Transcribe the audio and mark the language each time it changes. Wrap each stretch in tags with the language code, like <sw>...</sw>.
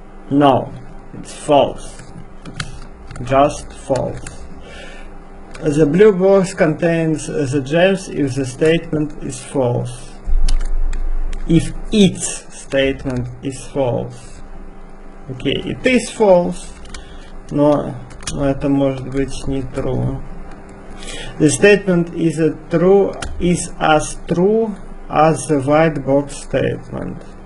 <en>No, it's false. Just false. The blue box contains the gems if the statement is false. If its statement is false. Okay, it is false.</en> <ru>Но это может быть не true.</ru> <en>The statement is a true is as true as the white box statement.</en>